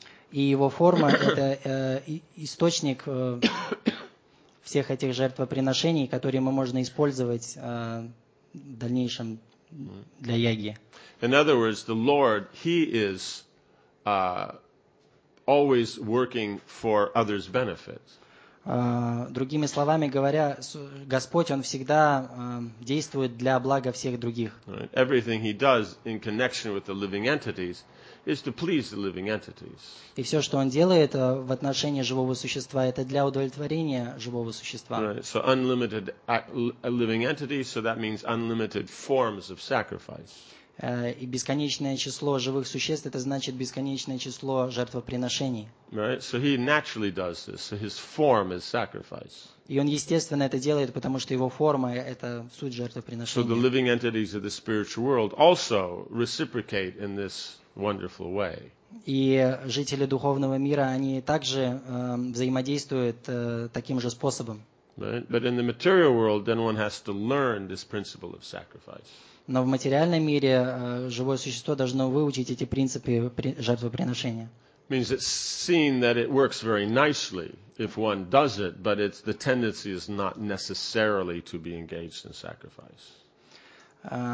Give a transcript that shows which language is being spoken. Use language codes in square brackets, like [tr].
[ru] И его форма это источник всех этих жертвоприношений, которые мы можем использовать в дальнейшем для яги. [en] In other words, the Lord, he is always working for others' benefit. [ru] Другими словами говоря, Господь, он всегда действует для блага всех других. [en] Everything he does in connection with the living entities is to please the living entities. [ru] И все, что он делает в отношении живого существа, это для удовлетворения живого существа. [en] So unlimited living entities, so that means unlimited forms of sacrifice. [ru] И бесконечное число живых существ, это значит бесконечное число жертвоприношений. [en] Right? So he naturally does this. So his form is sacrifice. [ru] И он естественно это делает, потому что его форма – это суть жертвоприношения. [en] So the living entities of the spiritual world also reciprocate in this wonderful way. [ru] И жители духовного мира, они также взаимодействуют таким же способом. [en] Right? But in the material world, then one has to learn this principle of sacrifice. [ru] Но в материальном мире живое существо должно выучить эти принципы жертвоприношения. [en] Means it's seen that it works very nicely if one does it, but it's the tendency is not necessarily to be engaged in sacrifice.